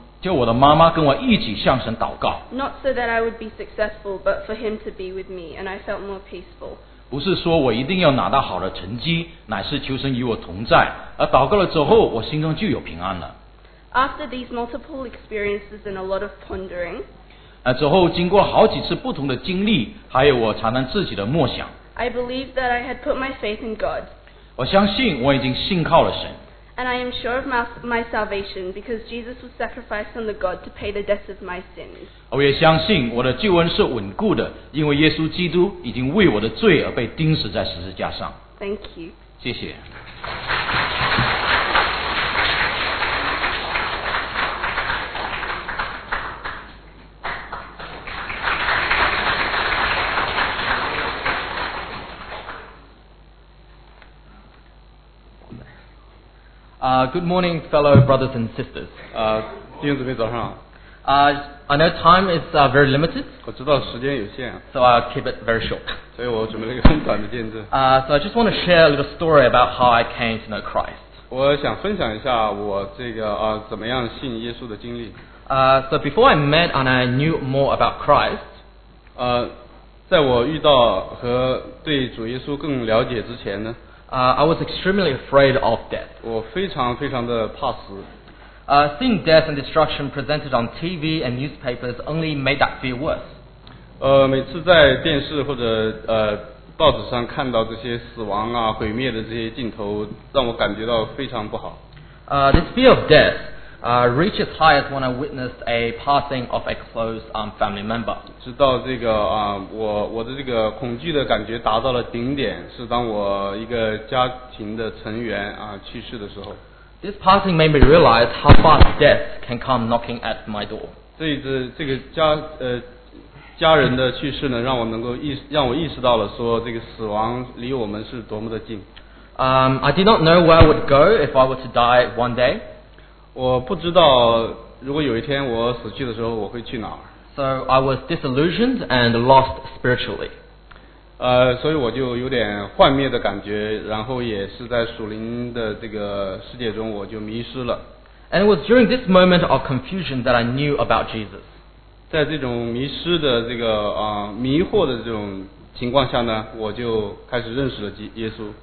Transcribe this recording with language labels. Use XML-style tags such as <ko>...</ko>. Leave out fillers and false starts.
<zh>叫我的妈妈跟我一起向神祷告。</zh> <en>Not so that I would be successful, but for him to be with me, and I felt more peaceful.</en> <zh>不是说我一定要拿到好的成绩，乃是求神与我同在。而祷告了之后，我心中就有平安了。</zh> <en>After these multiple experiences and a lot of pondering,</en> <zh>之后经过好几次不同的经历，还有我常常自己的默想。</zh> <en>I believe that I had put my faith in God.</en> <zh>我相信我已经信靠了神。</zh> <en>And I am sure of my salvation because Jesus was sacrificed on the God to pay the debt of my sins.</en> <zh>我也相信我的救恩是稳固的，因为耶稣基督已经为我的罪而被钉死在十字架上。</zh> <en>Thank you.</en> <zh>谢谢。</zh> <en>Good morning, fellow brothers and sisters.</en> <zh>弟兄姊妹早上。</zh> <en>I know time is very limited.</en> <zh>我知道时间有限。</zh> <en>So I'll keep it very short.</en> <zh>所以我准备了一个很短的见证。</zh> <en>So I just want to share a little story about how I came to know Christ.</en> <zh>我想分享一下我这个怎么样信耶稣的经历。</zh> <en>So before I met and I knew more about Christ.</en> <zh>在我遇到和对主耶稣更了解之前呢。</zh> <en>I was extremely afraid of death.</en> <zh>我非常非常的怕死。</zh> <en>Seeing death and destruction presented on TV and newspapers only made that fear worse.</en> <zh>每次在电视或者报纸上看到这些死亡啊、毁灭的这些镜头，让我感觉到非常不好。</zh> <en>This fear of death, reached its highest when I witnessed a passing of a close family member.</en> <zh>直到这个我的这个恐惧的感觉达到了顶点，是当我一个家庭的成员去世的时候。</zh> <en>This passing made me realize how fast death can come knocking at my door.</en> <zh>这个家人的去世呢，让我意识到了说这个死亡离我们是多么的近。</zh> <en>I did not know where I would go if I were to die one day.</en> <zh>我不知道如果有一天我死去的时候我会去哪儿。</zh> <en>So I was disillusioned and lost spiritually.</en> <zh>所以我就有点幻灭的感觉，然后也是在属灵的这个世界中我就迷失了。</zh> <en>And it was during this moment of confusion that I knew about Jesus.</en> <zh>在这种迷失的这个迷惑的这种情况下呢，我就开始认识了耶稣。</zh>